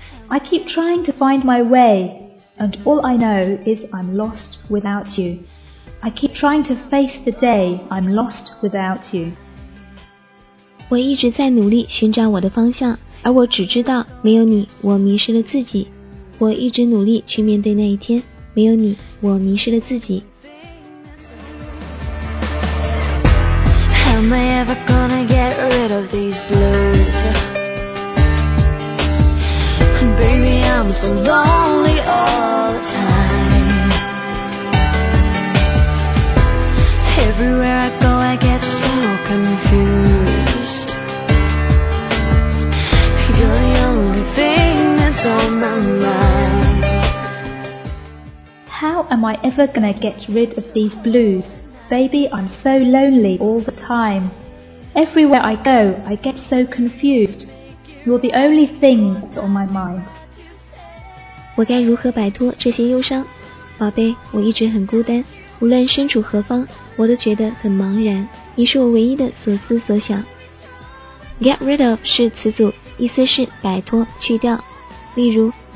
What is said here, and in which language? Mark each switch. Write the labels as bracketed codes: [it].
[en] I keep trying to find my way, and all I know is I'm lost without you. I keep trying to face the day I'm lost without you. [zh] 我一直在努力寻找我的方向，而我只知道没有你，我迷失了自己。我一直努力去面对那一天，没有你，我迷失了自己。 [en] How am I ever gonna get rid of these blues? Baby, I'm so lonely all the time. Everywhere I go, I get so confused. You're the only thing that's on my mind. How am I ever gonna get rid of these blues? Baby, I'm so lonely all the time. Everywhere I go, I get so confused. You're the only thing that's on my mind. [zh] 我该如何摆脱这些忧伤？宝贝，我一直很孤单，无论身处何方，我都觉得很茫然。你是我唯一的所思所想。Get rid of 是词组，意思是摆脱、去掉。例如